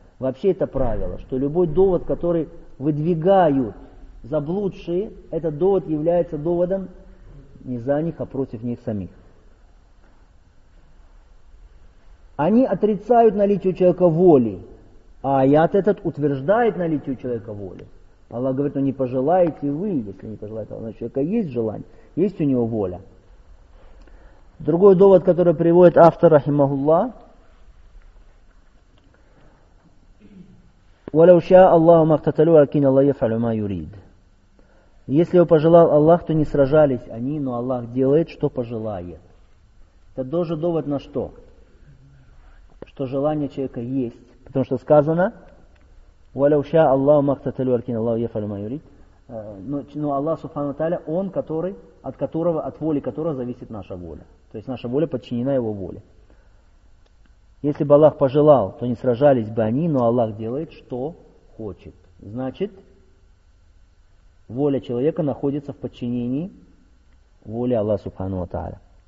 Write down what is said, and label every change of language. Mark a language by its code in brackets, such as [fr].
[ru] Вообще это правило, что любой довод, который выдвигают заблудшие, этот довод является доводом не за них, а против них самих. Они отрицают наличие у человека воли, а аят этот утверждает наличие у человека воли. Аллах говорит, ну не пожелаете вы, если не пожелаете Аллах. Значит, у человека есть желание, есть у него воля. Другой довод, который приводит автор, рахимахуллах, [ar] وَلَوْ شَاءَ اللَّهُ مَا اقْتَتَلُوا وَلَكِنَّ اللَّهَ يَفْعَلُ مَا يُرِيدُ. [ru] Если бы пожелал Аллах, то не сражались они, но Аллах делает, что пожелает. Это тоже довод на что? Что желание человека есть. Потому что сказано, [ar] وَلَوْ شَاءَ اللَّهُ مَا اقْتَتَلُوا وَلَكِنَّ اللَّهَ يَفْعَلُ مَا يُرِيدُ. [ru] Но Аллах, Субхану Тааля, Он, который, от которого, от воли которого зависит наша воля. То есть наша воля подчинена Его воле. Если бы Аллах пожелал, то не сражались бы они, но Аллах делает, что хочет. Значит, воля человека находится в подчинении воли Аллаха Субхану ва Тааля.